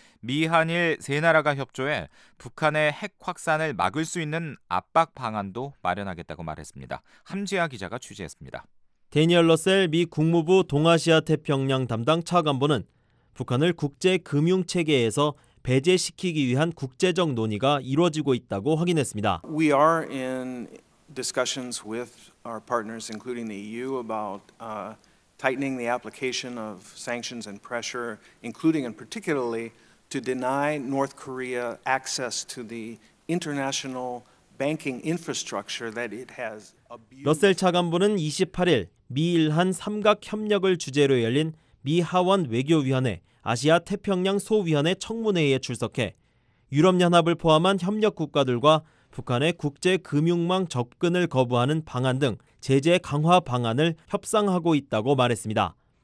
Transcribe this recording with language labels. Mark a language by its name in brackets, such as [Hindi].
[Korean] 미한일 세 나라가 협조해 북한의 핵 확산을 막을 수 있는 압박 방안도 마련하겠다고 말했습니다. 함지아 기자가 취재했습니다. 대니얼 러셀 미 국무부 동아시아 태평양 담당 차관보는 북한을 국제금융체계에서 배제시키기 위한 국제적 논의가 이루어지고 있다고 확인했습니다. [English] We are in discussions with our partners, including the EU, about tightening the application of sanctions and pressure, including and particularly to deny North Korea access to the international banking infrastructure that it has abused. [Korean] 러셀 차관보는 28일 미일한 삼각협력을 주제로 열린 미 하원 외교위원회 아시아 태평양 소위원회 청문회에 출석해 유럽연합을 포함한 협력 국가들과 북한의 국제금융망 접근을 거부하는 방안 등 제재 강화 방안을 협상하고 있다고 말했습니다.